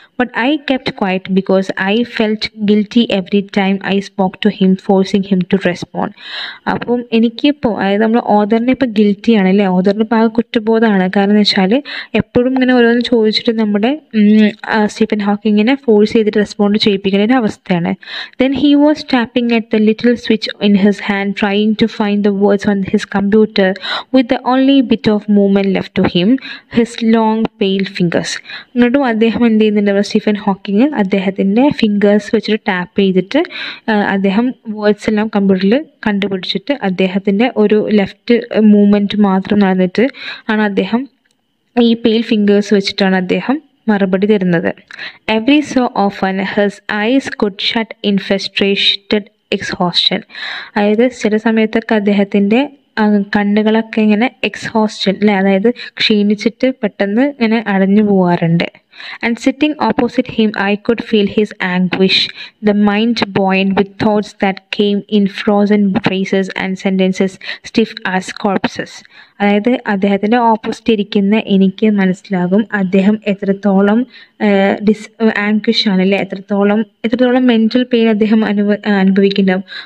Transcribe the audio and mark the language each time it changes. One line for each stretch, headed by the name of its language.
English: But I kept quiet because I felt guilty every time I spoke to him, forcing him to respond.
Malayalam: അപ്പം എനിക്കിപ്പോൾ, അതായത് നമ്മൾ ഓദറിനെ ഇപ്പോൾ guilty ആണ് അല്ലേ, ഓദറിന് ഇപ്പോൾ ആകെ കുറ്റബോധമാണ്. കാരണം എന്ന് വെച്ചാൽ എപ്പോഴും ഇങ്ങനെ ഓരോന്ന് ചോദിച്ചിട്ട് നമ്മുടെ സ്റ്റീഫൻ ഹോക്കിങ്ങിനെ ഫോഴ്സ് ചെയ്തിട്ട് റെസ്പോണ്ട് ചെയ്യിപ്പിക്കുന്ന ഒരു അവസ്ഥയാണ്. Then he was tapping
English: at the little switch in his hand, trying to find the words on his computer with the only bit of movement left to him, his long pale fingers.
Malayalam: ഇങ്ങോട്ടും അദ്ദേഹം എന്ത് ചെയ്യുന്നുണ്ട്, Stephen Hawking അദ്ദേഹത്തിൻ്റെ fingers വെച്ചിട്ട് tap ചെയ്തിട്ട് അദ്ദേഹം words എല്ലാം കമ്പ്യൂട്ടറിൽ കണ്ടുപിടിച്ചിട്ട് അദ്ദേഹത്തിൻ്റെ ഒരു ലെഫ്റ്റ് മൂവ്മെൻറ്റ് മാത്രം നടന്നിട്ട് ആണ് അദ്ദേഹം ഈ പെയിൽ ഫിംഗേഴ്സ് വെച്ചിട്ടാണ് അദ്ദേഹം മറുപടി തരുന്നത്.
English: Every so often his eyes could shut in frustrated exhaustion.
Malayalam: അതായത് ചില സമയത്തൊക്കെ അദ്ദേഹത്തിൻ്റെ കണ്ണുകളൊക്കെ ഇങ്ങനെ എക്സ്ഹോസ്റ്റൻ അല്ലേ, അതായത് ക്ഷീണിച്ചിട്ട് പെട്ടെന്ന് ഇങ്ങനെ അടഞ്ഞു പോവാറുണ്ട്.
English: And sitting opposite him, I could feel his anguish, the mind buoyant with thoughts that came in frozen phrases and sentences, stiff as corpses.
Malayalam: അതായത് അദ്ദേഹത്തിൻ്റെ ഓപ്പോസിറ്റ് ഇരിക്കുന്ന എനിക്ക് മനസ്സിലാകും അദ്ദേഹം എത്രത്തോളം ആങ്ക്വിഷ് ആണല്ലേ, എത്രത്തോളം മെൻറ്റൽ പെയിൻ അദ്ദേഹം അനുഭവിക്കുന്നുണ്ടാവും.